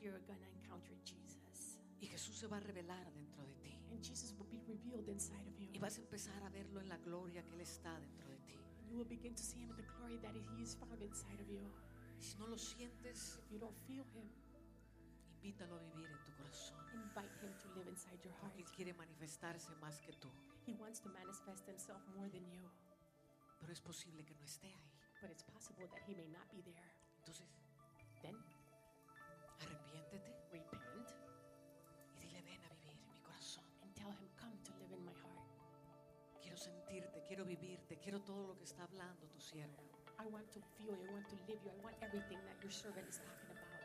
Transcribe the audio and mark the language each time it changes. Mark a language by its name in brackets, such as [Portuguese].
[English] You're going to encounter Jesus. [Spanish] Y Jesús se va a revelar dentro de ti. [English] And Jesus will be revealed inside of you. [Spanish] Y vas a empezar a verlo en la gloria que Él está dentro de ti. [English] You will begin to see Him in the glory that He is found inside of you. [Spanish] Si no lo sientes, [English] if you don't feel Him, [Spanish] invítalo a vivir en tu corazón. [English] Invite him to live inside your heart. [Spanish] Porque él quiere manifestarse más que tú. [English] He wants to manifest himself more than you. [Spanish] Pero es posible que no esté ahí. [English] But it's possible that he may not be there. [Spanish] Entonces, [English] then, [Spanish] arrepiéntete. [English] Repent. [Spanish] Y dile, ven a vivir en mi corazón. [English] And tell him, come to live in my heart. [Spanish] Quiero sentirte, quiero vivirte, quiero todo lo que está hablando tu siervo. [English] I want to feel you, I want to live you, I want everything that your servant is talking about.